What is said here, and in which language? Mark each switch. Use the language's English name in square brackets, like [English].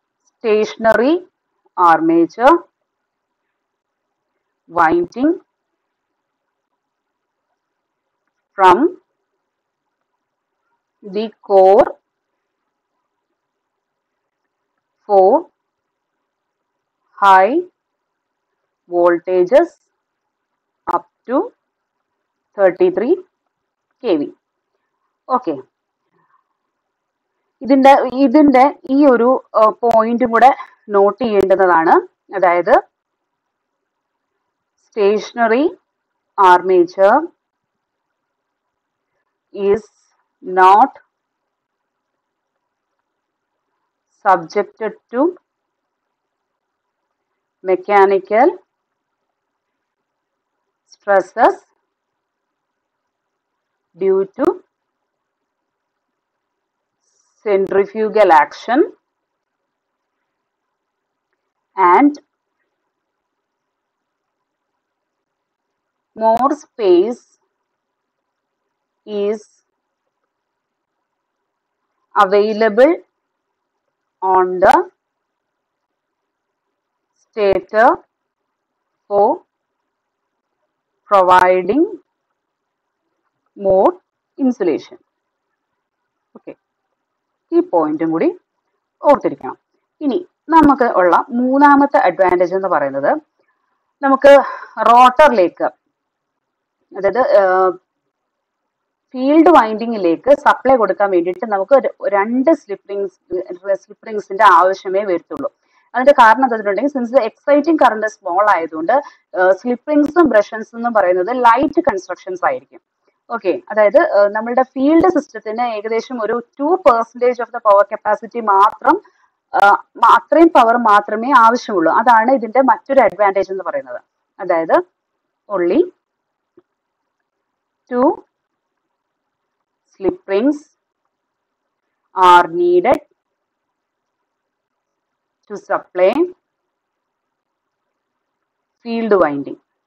[English] Stationary armature winding from the core for high voltages up to 33 kV. [Malayalam] Okay, ഇതിൻ്റെ ഈ ഒരു പോയിന്റും കൂടെ നോട്ട് ചെയ്യേണ്ടുന്നതാണ്. അതായത് [English] Stationary armature is not subjected to mechanical stresses due to centrifugal action and more space is available on the stator for providing more insulation. [Malayalam] Okay. ഈ പോയിന്റും കൂടി ഓർത്തിരിക്കണം. ഇനി നമുക്ക് ഉള്ള മൂന്നാമത്തെ അഡ്വാൻറ്റേജ് എന്ന് പറയുന്നത്, നമുക്ക് റോട്ടറിലേക്ക് അതായത് ഫീൽഡ് വൈൻഡിങ്ങിലേക്ക് സപ്ലൈ കൊടുക്കാൻ വേണ്ടിയിട്ട് നമുക്ക് രണ്ട് സ്ലിപ്പ് റിങ്സിന്റെ ആവശ്യമേ വരുത്തുള്ളൂ. അതിന്റെ കാരണം എന്താണെന്നുണ്ടെങ്കിൽ, [English] since exciting current small [Malayalam] ആയതുകൊണ്ട് സ്ലിപ്പ് റിങ്സും ബ്രഷൻസ് എന്ന് പറയുന്നത് ലൈറ്റ് കൺസ്ട്രക്ഷൻസ് ആയിരിക്കും. ഓക്കെ, അതായത് നമ്മളുടെ ഫീൽഡ് സിസ്റ്റത്തിന് ഏകദേശം ഒരു 2% [English] of the power capacity [Malayalam] മാത്രം, അത്രയും പവർ മാത്രമേ ആവശ്യമുള്ളൂ. അതാണ് ഇതിന്റെ മറ്റൊരു അഡ്വാൻറ്റേജ് എന്ന് പറയുന്നത്. അതായത് [English] Only 2 slip rings are needed to supply field winding.